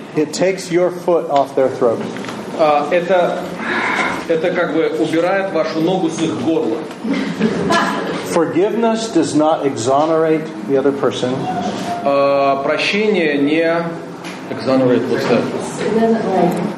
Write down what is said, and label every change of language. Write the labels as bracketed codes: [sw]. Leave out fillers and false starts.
[en] It takes your foot off their throat. [ru] Это как бы убирает вашу ногу с их горла. [en] Forgiveness does not exonerate the other person. [ru] Прощение не [en] exonerate, what's that?